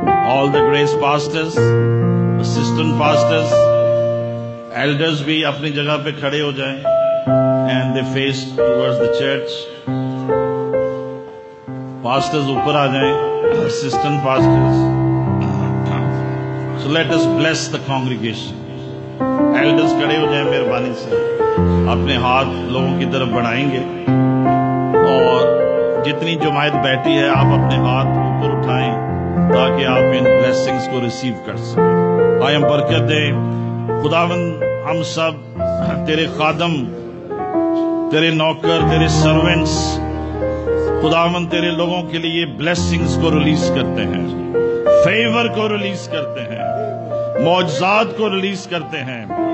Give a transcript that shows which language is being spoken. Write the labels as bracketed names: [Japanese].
[Urdu] آل دا grease pastors, assistant pastors, elders بھی اپنی جگہ پہ کھڑے ہو جائیں [English] And they face towards the church. [Urdu] Pastors اوپر آ جائیں، assistant pastors. [English] So let us bless the congregation. [Urdu] ایلڈرز کھڑے ہو جائیں مہربانی سے، اپنے ہاتھ لوگوں کی طرف بڑھائیں گے اور جتنی جماعت بیٹھی ہے آپ اپنے ہاتھ اوپر اٹھائیں تاکہ آپ ان بلیسنگز کو ریسیو کر سکیں. آئی ایم برکت دے خداوند. ہم سب تیرے خادم، تیرے نوکر، تیرے سرونٹس خداوند، تیرے لوگوں کے لیے بلیسنگز کو ریلیز کرتے ہیں، فیور کو ریلیز کرتے ہیں، معجزات کو ریلیز کرتے ہیں،